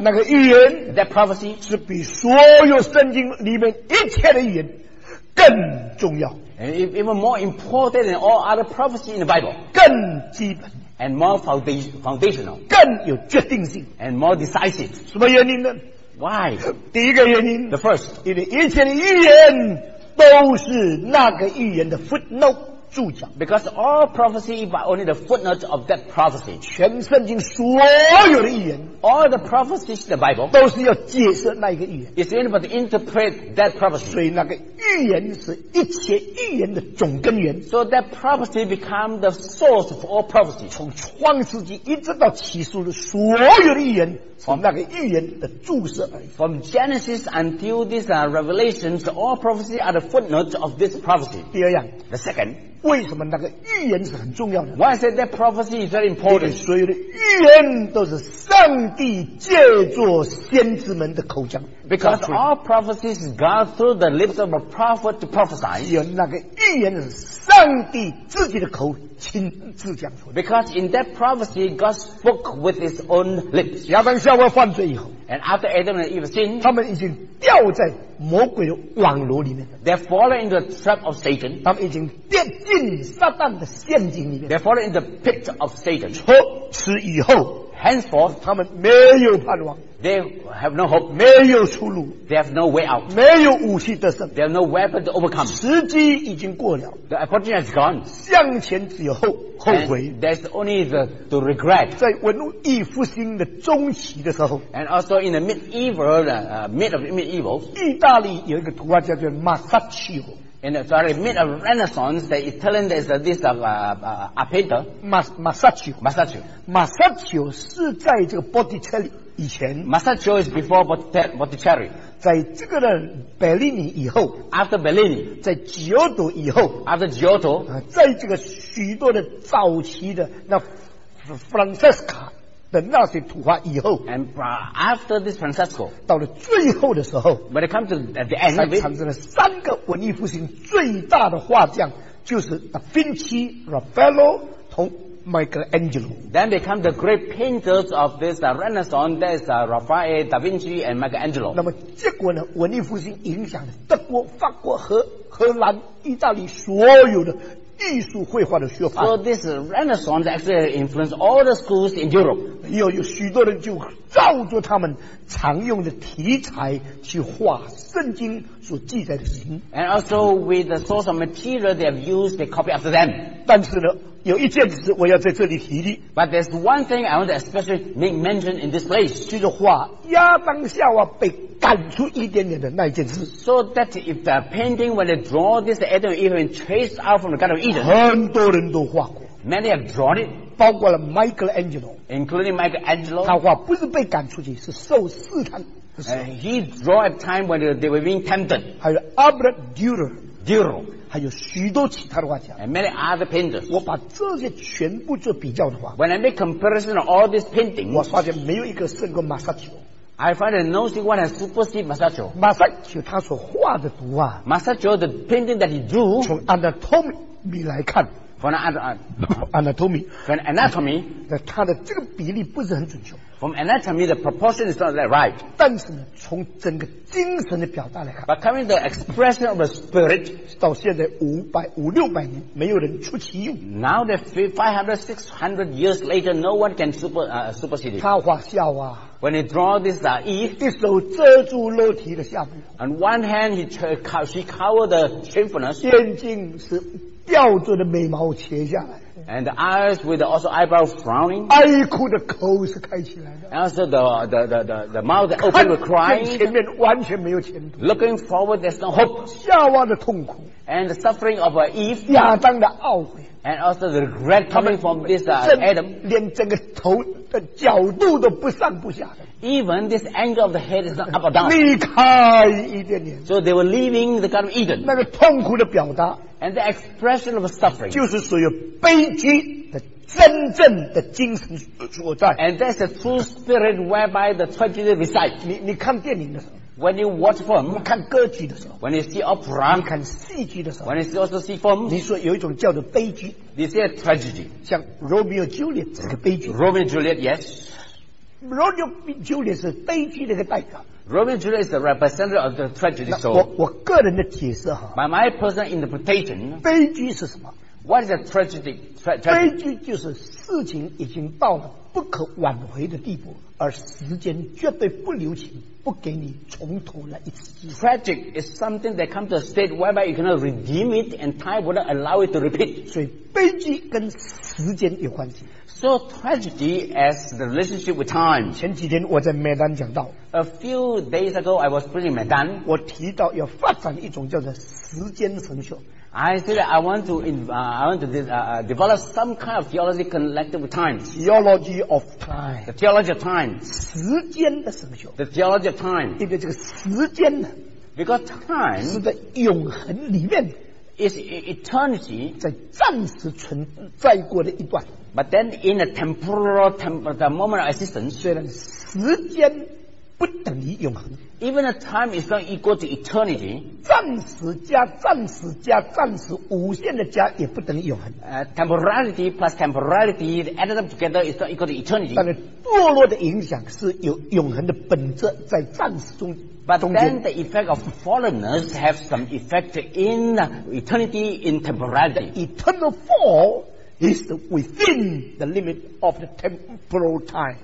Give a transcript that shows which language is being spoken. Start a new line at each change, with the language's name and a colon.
Chinese: 那个预言
English: that prophecy
Chinese: 是比所有圣经里面一切的预言更重要
English: and even more important than all other prophecy in the Bible
Chinese: 更基本
English: and more foundational
Chinese: 更有决定性
English: and more decisive
Chinese: 什么原因呢
English: why
Chinese: 第一个原因
English: the first
Chinese: 因为一切的预言都是那个预言的 footnote
English: Because all prophecy but only the footnote of that prophecy.
Chinese: 全圣经所有的预言
English: all the prophecies in the Bible
Chinese: 都是要解释那一个预言
English: It's only about to interpret that prophecy.
Chinese: 所以那个预言是一切预言的总根源
English: So that prophecy becomes the source of all prophecy.
Chinese: 从创世纪一直到启示录所有的预言从那个预言的注释而已
English: From Genesis until these are revelations, all prophecies are the footnotes of this prophecy.
Chinese: 第二样
English: The second.
Chinese: 为什么那个预言是很重要的
English: Why I said that prophecy is very important
Chinese: 所有的预言都是上帝借着先知们的口讲
English: Because all prophecies God through the lips of a prophet to prophesy
Chinese: 只有那个预言是上帝自己的口亲自讲出来
English: Because in that prophecy God spoke with his own lips
Chinese: 亚当夏娃犯罪以后
English: And after Adam and Eve sinned
Chinese: 他们已经掉在魔鬼的网罗里面
English: They fallen into the trap of Satan
Chinese: 他们已经跌进撒旦的陷阱里面
English: They fallen into the pit of Satan
Chinese: 从此以后
English: Henceforth
Chinese: 他们没有盼望
English: They have no hope
Chinese: 没有出路
English: They have no way out
Chinese: 没有武器得胜
English: They have no weapon to overcome
Chinese: 时机已经过了
English: The opportunity has gone
Chinese: 向前只有 后悔
English: And there's only the, to regret
Chinese: 在文艺复兴的中期的时候
English: And also in the medieval mid of medieval
Chinese: 意大利有一个图画家叫 Masaccio
English: In the mid of Renaissance, the Italian is this of a painter, Masaccio.
Chinese: Masaccio 是在这个 Botticelli 以前
English: Masaccio is before Botticelli.
Chinese: 在这个的 Bellini 以后
English: After Bellini.
Chinese: 在 Giotto 以后
English: After Giotto.
Chinese: 在这个许多的早期的那 Francesca 的那些图画以后
English: And after this Francesco.
Chinese: 到了最后的时候
English: When it comes to the end of it.
Chinese: 产生了三个文艺复兴最大的画匠就是达芬奇 Raffaello 同 Michelangelo
English: then become the great painters of this Renaissance that is Raphael, Da Vinci and Michelangelo
Chinese: 那么结果呢文艺复兴影响了德国法国和荷兰意大利所有的艺术绘画的学派
English: So this Renaissance actually influenced all the schools in Europe
Chinese: 有许多人就照着他们常用的题材去画圣经所记载的事情
English: And also with the source of material they have used they copy after them
Chinese: 但是呢有一件事我要在这里提的
English: But there's one thing I want to especially make mention in this place
Chinese: 就是画亚当夏娃被赶出伊甸园的那一件事
English: So that if the painting when they draw this Adam and Eve chased out from the Garden of Eden
Chinese: 很多人都画过
English: Many have drawn it
Chinese: 包括了 Michelangelo，
English: including Michelangelo，
Chinese: 他画不是被赶出去，是受试探的时候。
English: He draw at time when they were being tempted。
Chinese: 还有 Albert Durer，
English: Durer，
Chinese: 还有许多其他的画家。
English: And many other painters。
Chinese: 我把这些全部做比较的话
English: ，When I make comparison of all these paintings，
Chinese: 我发现没有一个胜过 Masaccio。
English: I find that no single one has superseded Masaccio。
Chinese: Masaccio 他所画的图啊
English: ，Masaccio the painting that he drew，
Chinese: 从 anatomy 来看。
English: From anatomy, from anatomy,
Chinese: 它的这个比例不是很准确。
English: From anatomy, the proportion is not that right.
Chinese: 但是呢，从整个精神的表达来看
English: ，But coming the expression of the spirit,
Chinese: 到现在500-600年，没有人出其右。
English: Now that 500-600 years later, no one can supersede it.
Chinese: 他画笑啊。
English: When he draw this Eve,
Chinese: 一手遮住肉体的下部。
English: On one hand, she covered the shamefulness.
Chinese: 眼睛是。吊着的眉毛切下来
English: ，and the eyes with the also eyebrow frowning，
Chinese: 哀哭的口是开起来的
English: ，also the mouth open with crying，
Chinese: 前面完全没有前途
English: ，looking forward there's no hope，
Chinese: 夏娃的痛苦
English: ，and the suffering of Eve，
Chinese: 亚当的懊悔
English: ，and also the regret coming from this Adam，
Chinese: 连整个头的角度都不上不下的。
English: Even this angle of the head is not up or down.
Chinese: 离开伊甸园。
English: So they were leaving the Garden of Eden.
Chinese: 那个痛苦的表达。
English: And the expression of suffering.
Chinese: 就是所有悲剧的真正的精神所在。
English: And that's the true spirit whereby the tragedy resides.
Chinese: 你看电影的时候。
English: When you watch film.
Chinese: 你看歌剧的时候。
English: When you see opera.
Chinese: 你看戏剧的时候。
English: When you also see film.
Chinese: 你说有一种叫做悲剧。
English: You see a tragedy.
Chinese: 像 Romeo and Juliet 这个悲剧。
English: Romeo and Juliet, yes.
Chinese: Romeo and Juliet 是悲剧的一个代表。
English: Romeo and Juliet is the representative of the tragedy. So,
Chinese: 我个人的解释哈。
English: My personal interpretation.
Chinese: 悲剧是什么
English: ？What is a tragedy?
Chinese: 悲剧就是事情已经到了不可挽回的地步，而时间绝对不留情，不给你重头来一次。
English: Tragic is something that comes to a state whereby you cannot redeem it, and time will not allow it to repeat.
Chinese: 所以悲剧跟时间有关系。
English: So tragedy as the relationship with time.
Chinese: 前几天我在麦丹讲到。
English: A few days ago, I was preaching麦丹。
Chinese: 我提到要发展一种叫做时间神学。
English: I said that I want to develop some kind of theology connected with time. Theology of time. The theology of time.
Chinese: 时间的神学。
English: The theology of time.
Chinese: 因为这个时间呢
English: ，because time
Chinese: 是在永恒里面。
English: Is eternity
Chinese: 在暂时存在过的一段
English: ，But then in a temporal the moment of existence，
Chinese: 虽然时间不等于永恒
English: ，Even a time is not equal to eternity，
Chinese: 暂时加暂时加暂时无限的加也不等于永恒。
English: Temporality plus temporality added up together is not equal to eternity。
Chinese: 但是堕落的影响是有永恒的本质在暂时中。
English: But then the effect of fallenness have some effect in eternity, in temporality. The eternal fall is within the limit of the temporal time.